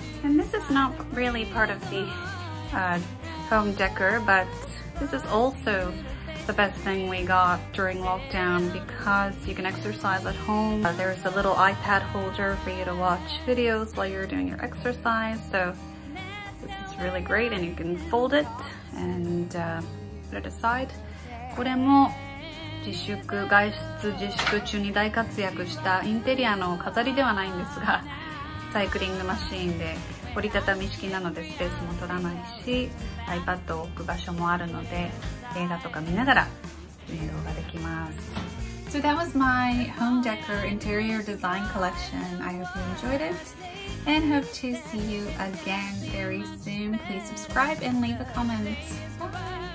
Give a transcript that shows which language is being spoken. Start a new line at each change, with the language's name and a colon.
English: And this is not really part of the home decor, but this is also the best thing we got during lockdown because you can exercise at home. There's a little iPad holder for you to watch videos while you're doing your exercise, so this is really great and you can fold it and put it aside.
Japanese: これも自粛、外出自粛中に大活躍したインテリアの飾りではないんですが、サイクリングマシーンで折りたたみ式なのでスペースも取らないし、iPad を置く場所もあるので映画とか見ながら運動ができます。
English: So that was my home decor interior design collection. I hope you enjoyed it and hope to see you again very soon. Please subscribe and leave a comment. Bye bye.